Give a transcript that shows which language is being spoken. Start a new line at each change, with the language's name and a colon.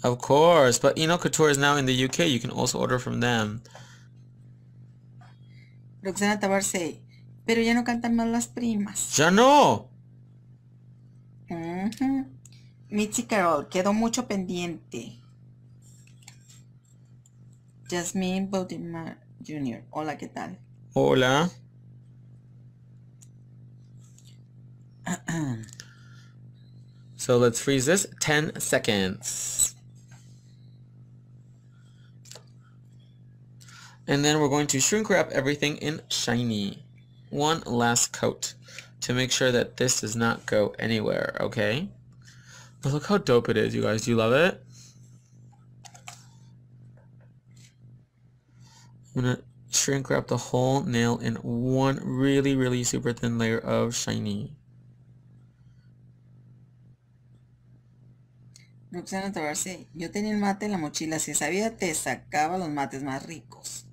English: Of course, but Eno Couture is now in the UK. You can also order from them.
Spanish: Roxana Tabar say, pero ya no cantan más las primas. Ya no. Mitzi Carol, quedó mucho pendiente. Jasmine Baltimore Jr. Hola, ¿qué tal? Hola.
English: So let's freeze this 10 seconds. And then we're going to shrink wrap everything in shiny. One last coat to make sure that this does not go anywhere, okay? But look how dope it is, you guys. Do you love it? I'm gonna shrink wrap the whole nail in one really, really super thin layer of shiny.
Spanish: Roxana Tavarse, yo tenía el mate en la mochila, si sabía te sacaba los mates más ricos.